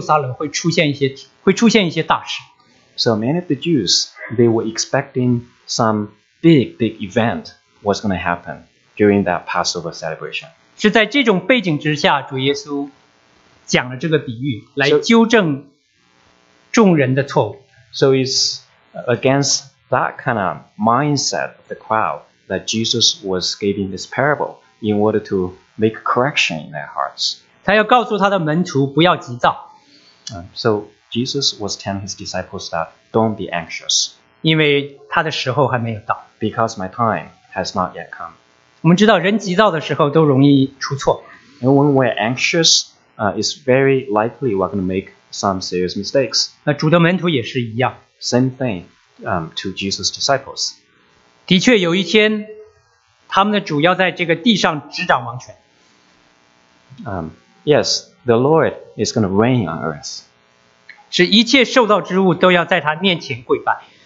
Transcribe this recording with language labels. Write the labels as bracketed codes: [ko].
[zh] 他们许多人都预感那一年的逾越节当中在耶路撒冷会出现一些大事。 [en] So many of the Jews, they were expecting some big, big event was going to happen during that Passover celebration. [zh] 是在这种背景之下,主耶稣讲了这个比喻来纠正 [en] So it's against that kind of mindset of the crowd that Jesus was giving this parable in order to make correction in their hearts. [zh] 他要告诉他的门徒不要急躁。 [en] So Jesus was telling his disciples that don't be anxious. [zh] 因为他的时候还没有到。 [en] Because my time has not yet come. [zh] 我们知道人急躁的时候都容易出错。 [en] And when we're anxious, it's very likely we're going to make some serious mistakes. [zh] 那主的门徒也是一样。 [en] Same thing to Jesus' disciples. [zh] 的确有一天, 他们的主要在这个地上执掌王权。 [en] Yes, the Lord is going to reign on earth. [zh] 是一切受造之物都要在他面前跪拜。